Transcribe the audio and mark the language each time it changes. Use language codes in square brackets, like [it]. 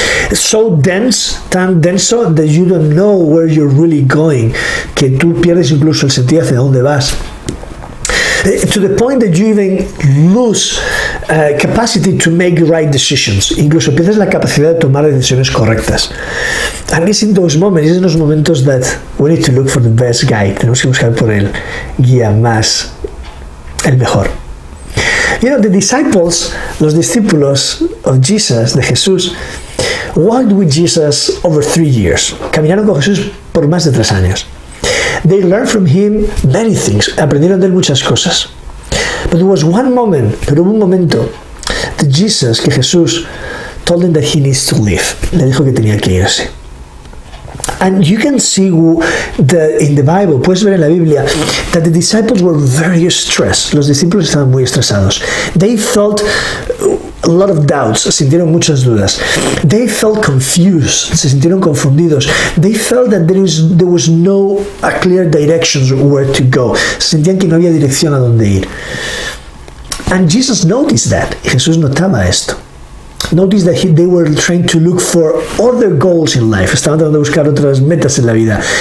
[en] It's so dense, [es] tan denso, [en] that you don't know where you're really going. [es] Que tú pierdes incluso el sentido hacia dónde vas. [en] To the point that you even lose capacity to make right decisions. [es] Incluso pierdes la capacidad de tomar decisiones correctas. [en] And it's in those moments, it's in those moments that we need to look for the best guide. [es] Tenemos que buscar por el guía más, el mejor. [en] You know, the disciples, [es] los discípulos [en] of Jesus, [es] de Jesús, [en] walked with Jesus over 3 years. [es] Caminaron con Jesús por más de 3 años. [en] They learned from him many things. [es] Aprendieron de él muchas cosas. [en] But there was one moment, [es] pero hubo un momento, [en] that Jesus, [es] que Jesús, [en] told them that he needs to leave. [es] Le dijo que tenía que irse. [en] And you can see in the Bible, [es] puedes ver en la Biblia, [en] that the disciples were very stressed. [es] Los discípulos estaban muy estresados. [en] They felt a lot of doubts, [es] sintieron muchas dudas. [en] They felt confused, [es] se sintieron confundidos. [en] They felt that there was no a clear direction where to go. [es] Sentían que no había dirección a dónde ir. [en] And Jesus noticed that. [es] Jesús notaba esto. [en] Noticed that they were trying to look for other goals in life. [es] Estaban tratando de buscar otras metas en la vida.